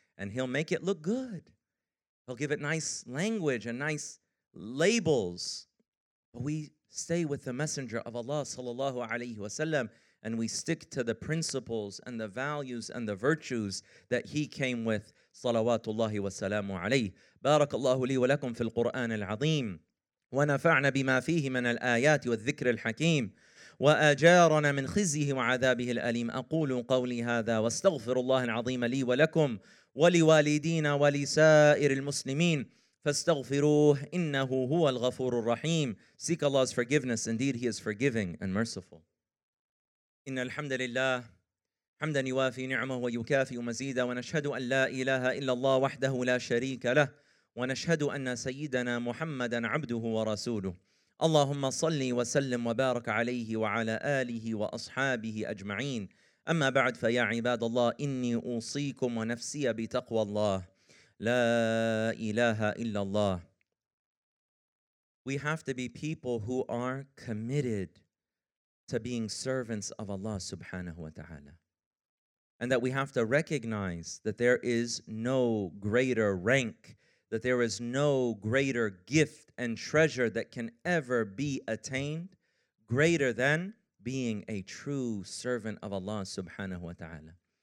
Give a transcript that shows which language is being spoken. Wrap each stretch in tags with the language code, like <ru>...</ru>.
<en>And he'll make it look good. He'll give it nice language and nice labels. But we stay with the messenger of Allah sallallahu alayhi wa sallam. And we stick to the principles and the values and the virtues that he came with.</en> <ar>صلوات الله وسلامه عليه بارك الله لي ولكم في القرآن العظيم ونفعنا بما فيه من الآيات والذكر الحكيم وأجارنا من خزيه وعذابه الأليم أقول قولي هذا واستغفر الله العظيم لي ولكم ولوالدينا ولسائر المسلمين فاستغفروه إنه هو الغفور الرحيم.</ar> <en>Seek Allah's forgiveness. Indeed, He is forgiving and merciful.</en> <ar>إن الحمد لله حمدا يوافي نعمه ويكافئ مزيدا ونشهد أن لا إله إلا الله وحده لا شريك له ونشهد أن سيدنا محمدا عبده ورسوله. اللهم صل وسلم وبارك عليه وعلى آله وأصحابه أجمعين. أما بعد فيا عباد الله إني أوصيكم ونفسي بتقوى الله لا إله إلا الله.</ar> <en>We have to be people who are committed to being servants of Allah subhanahu wa ta'ala. And that we have to recognize that there is no greater rank, that there is no greater gift and treasure that can ever be attained greater than being a true servant of Allah subhanahu wa ta'ala.</en>